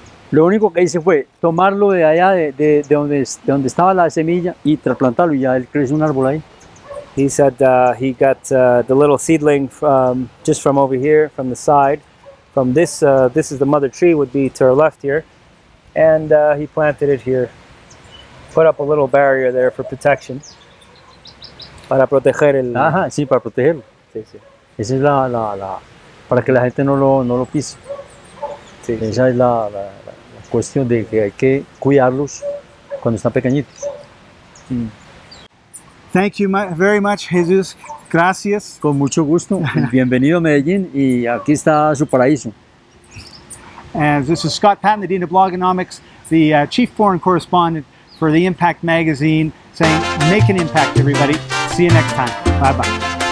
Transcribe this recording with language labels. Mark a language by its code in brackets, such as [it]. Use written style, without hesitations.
[es] Lo único que hice fue tomarlo de allá, de donde estaba la semilla y trasplantarlo y ya él creció un árbol ahí. [en] He said he got the little seedling from, just from over here, from the side. From this, this is the mother tree, would be to our left here. And he planted it here. Put up a little barrier there for protection. [es] Para proteger el... Ajá, sí, para protegerlo. Sí, sí. Esa es la... Para que la gente no lo pise. Sí, esa sí. es la cuestión de que hay que cuidarlos cuando están pequeñitos. Sí. [en] Thank you very much, Jesus. Gracias. [es] Con mucho gusto. Bienvenido a Medellín y aquí está su paraíso. [en] This is Scott Patton, the Dean of Blogonomics, the Chief Foreign Correspondent for the Impact Magazine, saying, make an impact, everybody. See you next time. Bye-bye.